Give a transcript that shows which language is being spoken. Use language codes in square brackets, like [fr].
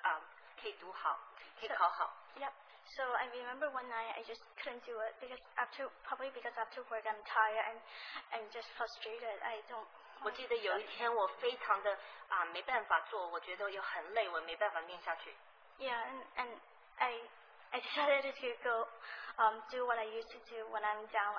[zh] 所以在冬天的时候，那个假期我就拼命在念书，希望可以读好，可以考好。Yep. [en] So I remember one night I just couldn't do it because after work I'm tired and just frustrated. I don't. [zh] 我记得有一天我非常的没办法做，我觉得又很累，我没办法念下去。 [en] Yeah, and I decided to go do what I used to do when I'm down.